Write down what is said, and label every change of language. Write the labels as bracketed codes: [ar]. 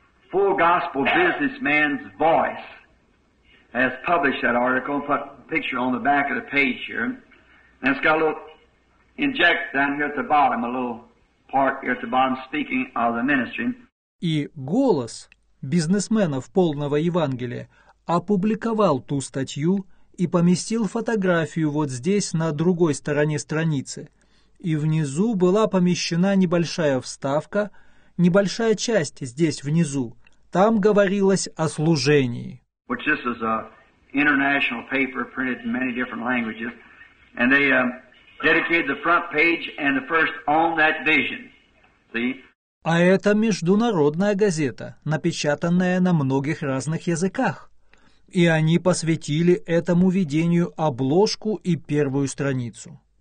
[en] Full gospel businessman's voice has published that article, put a picture on the back of the page here, and it's got a little inject down here at the bottom, a little part here at the bottom, speaking of the ministry. [ru] И голос бизнесменов полного Евангелия опубликовал ту статью, и поместил фотографию вот здесь, на другой стороне страницы. И внизу была помещена небольшая вставка, небольшая часть здесь внизу. Там говорилось о служении. [en] Which this is an international paper printed in many different languages. And they dedicated the front page and the first on that vision. See? [ru] А это международная газета, напечатанная на многих разных языках. И они посвятили этому видению обложку и первую страницу.